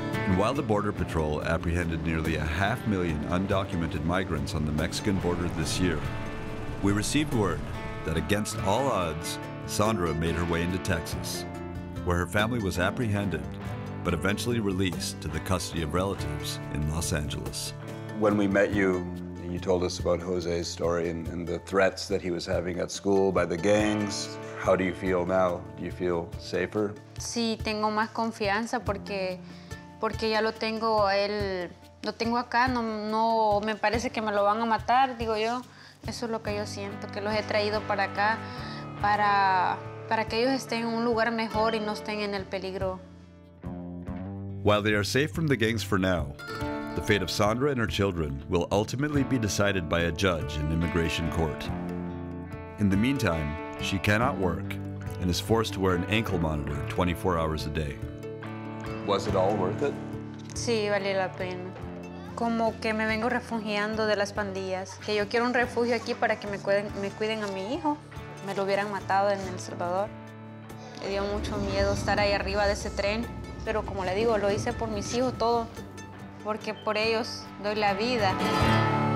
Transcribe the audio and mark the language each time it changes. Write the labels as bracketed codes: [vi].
[en] And while the Border Patrol apprehended nearly 500,000 undocumented migrants on the Mexican border this year, we received word that against all odds, Sandra made her way into Texas, where her family was apprehended, but eventually released to the custody of relatives in Los Angeles. When we met you, you told us about Jose's story and the threats that he was having at school by the gangs. How do you feel now? Do you feel safer? [es] Sí, tengo más confianza porque ya lo tengo él, lo tengo acá. No me parece que me lo van a matar, digo yo. Eso es lo que yo siento, que los he traído para acá para que ellos estén en un lugar mejor y no estén en el peligro. [en] While they are safe from the gangs for now, the fate of Sandra and her children will ultimately be decided by a judge in immigration court. In the meantime, she cannot work and is forced to wear an ankle monitor 24 hours a day. Was it all worth it? [es] Sí, valió la pena. Como que me vengo refugiando de las pandillas. Que yo quiero un refugio aquí para que me cuiden a mi hijo. Me lo hubieran matado en El Salvador. Me dio mucho miedo estar ahí arriba de ese tren. Pero como le digo, lo hice por mis hijos todo. Porque por ellos doy la vida.